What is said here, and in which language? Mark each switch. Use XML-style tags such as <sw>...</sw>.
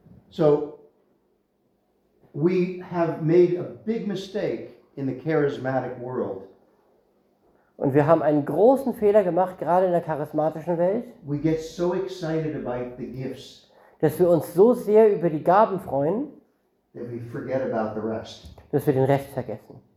<en>So, we have made a big mistake in the charismatic world.</en> <de>Und wir haben einen großen Fehler gemacht, gerade in der charismatischen Welt.</de> <en>We get so excited about the gifts.</en> <de>Dass wir uns so sehr über die Gaben freuen, dass wir den Rest vergessen.</de>